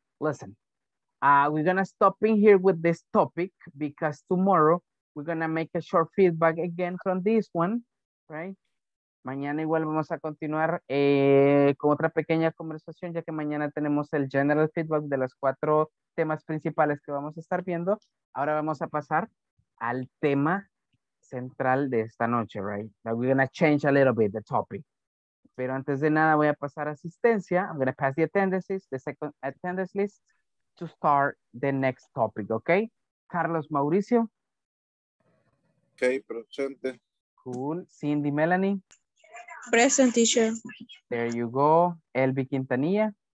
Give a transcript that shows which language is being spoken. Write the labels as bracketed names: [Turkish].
[English] Listen, we're going to stop in here with this topic because tomorrow we're going to make a short feedback again from this one. Right? [Spanish] Mañana igual vamos a continuar con otra pequeña conversación, ya que mañana tenemos el general feedback de los cuatro temas principales que vamos a estar viendo. Ahora vamos a pasar al tema central de esta noche, right? [English] That we're going to change a little bit the topic. [Spanish] Pero antes de nada, voy a pasar asistencia. [English] I'm going to pass the second attendance list to start the next topic, okay? Carlos Mauricio. [Spanish] Okay, presente. [English] Cool. Cindy Melanie. Present, teacher. There you go. Elvi Quintanilla.